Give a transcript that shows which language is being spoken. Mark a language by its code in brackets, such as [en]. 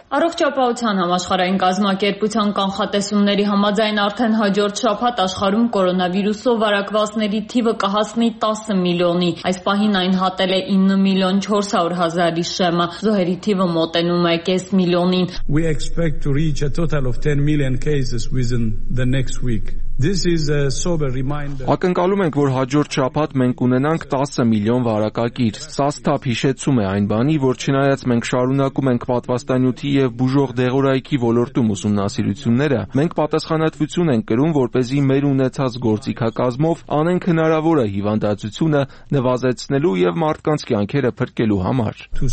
[hy] Առողջապահության համաշխարհային կազմակերպության կանխատեսումների համաձայն արդեն հաջորդ շաբաթ աշխարհում կորոնավիրուսով վարակվածների թիվը կհասնի 10 միլիոնի։ Այս պահին այն հատել է 9 միլիոն 400 հազարի շեմը։ Զոհերի թիվը մոտենում է 5 միլիոնին։ [en] We expect to reach a total of 10 million cases within the next week. This is a sober reminder. [hy] Ակնկալում ենք, որ հաջորդ շաբաթ մենք ունենանք 10 միլիոն վարակակիր։ Սա ստապ հիշեցում է այն բանի, որ չնայած մենք շարունակում ենք պատվաստանյութի և բուժող դեղորայքի ոլորտում ուսումնասիրությունները, մենք պատասխանատվություն ենք կրում, որպեսզի մեր ունեցած գործիքակազմով անենք հնարավորը հիվանդացությունը նվազեցնելու և մարդկանց կյանքերը փրկելու համար։